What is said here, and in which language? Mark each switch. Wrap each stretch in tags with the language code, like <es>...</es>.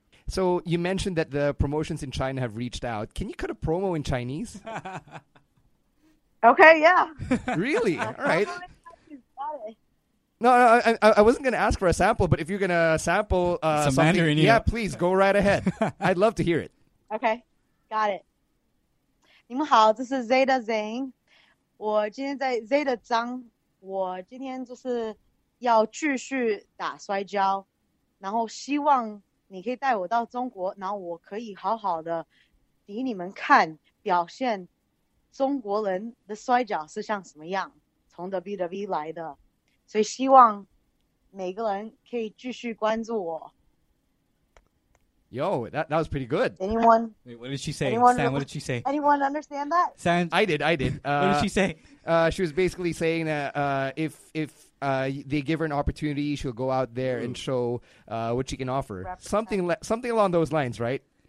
<en>So you mentioned that the promotions in China have reached out. Can you cut a promo in Chinese? Okay, yeah. Really? All right. No, I wasn't going to ask for a sample, but if you're going to sample something, yeah, please go right ahead. I'd love to hear it. Okay, got it.</en> <zh>你们好，这是Zeda Zeng。我今天在Zeda张， 我今天就是要继续打摔跤， 然后希望你可以带我到中国，然后我可以好好的给你们看表现中国人的摔角是像什么样，从 WWE 来的。所以希望每个人可以继续关注我。</zh> <en>Yo, that was pretty good. Anyone? Wait, what did she say? Anyone, Sam, what did she say? Anyone understand that? Sam, I did. What did she say? She was basically saying that if they give her an opportunity, she'll go out there and show what she can offer. Represent. Something along those lines, right?</en>